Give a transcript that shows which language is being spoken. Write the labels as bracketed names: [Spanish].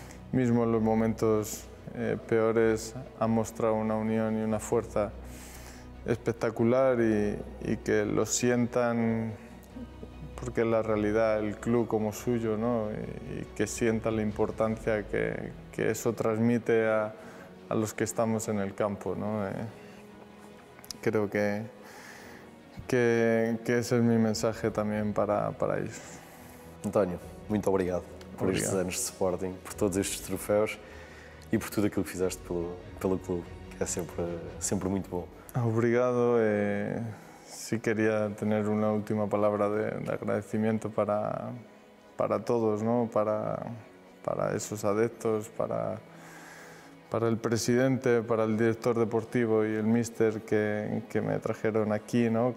[Spanish] Mismo en los momentos peores han mostrado una unión y una fuerza espectacular y que lo sientan, porque es la realidad, el club como suyo, ¿no? Y que sientan la importancia que eso transmite a los que estamos en el campo, ¿no? Creo que ese es mi mensaje también para ellos. [Portuguese] António, muito obrigado. Estes anos de Sporting, por todos estes troféus e por tudo aquilo que fizeste pelo clube, que é sempre muito bom. Obrigado. [Spanish] Sí, quería tener una última palabra de agradecimiento para todos, ¿no? Para esos adeptos, para el presidente, para el director deportivo y el míster que me trajeron aquí, ¿no?